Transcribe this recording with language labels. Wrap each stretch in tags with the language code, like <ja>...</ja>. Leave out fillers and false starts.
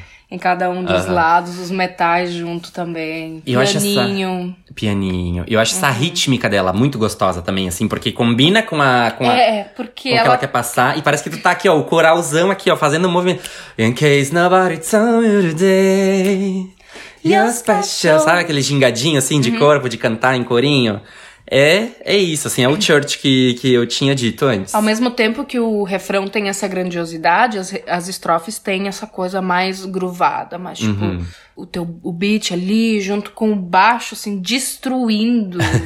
<pt>Em cada um dos lados, os metais junto também. Pianinho. Eu acho essa rítmica dela muito gostosa também, assim. Porque combina com a... Porque ela... que ela quer passar. E parece que tu tá aqui, ó, o coralzão aqui, ó, fazendo o movimento.</pt> <en>In case nobody told you today, you're special.</en> <pt>Sabe aquele gingadinho, assim, de corpo, de cantar em corinho? É isso, assim, é o church que eu tinha dito antes. Ao mesmo tempo que o refrão tem essa grandiosidade, as estrofes têm essa coisa mais groovada, mais tipo... O beat ali, junto com o baixo, assim, destruindo.</pt>